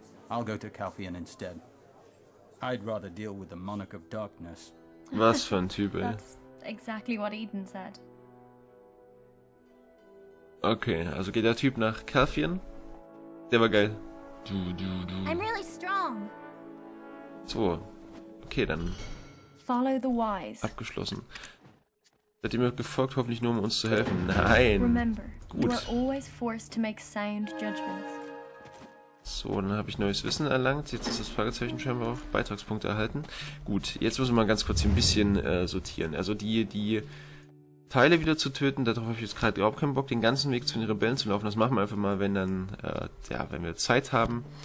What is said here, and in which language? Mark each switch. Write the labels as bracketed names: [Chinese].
[English] I'll go to Calphion instead. I'd rather deal with the Monarch of Darkness. [German] Was für ein Typ, ey. [English] That's exactly what Eden said. [German] Okay, also geht der Typ nach Calphion? Der war geil. [English] I'm really strong. [German] So. Okay, dann. [English] Follow the wise. [German] Abgeschlossen. Seid ihr mir gefolgt, hoffentlich nur um uns zu helfen? Nein. [English] Remember, [German] gut. [English] You are always forced to make sound judgments. [German] So, dann habe ich neues Wissen erlangt. Jetzt ist das Fragezeichen scheinbar auf Beitragspunkte erhalten. Gut, jetzt müssen wir mal ganz kurz hier ein bisschen sortieren. Also die Teile wieder zu töten, darauf habe ich jetzt gerade überhaupt keinen Bock, den ganzen Weg zu den Rebellen zu laufen. Das machen wir einfach mal, wenn dann, ja, wenn wir Zeit haben.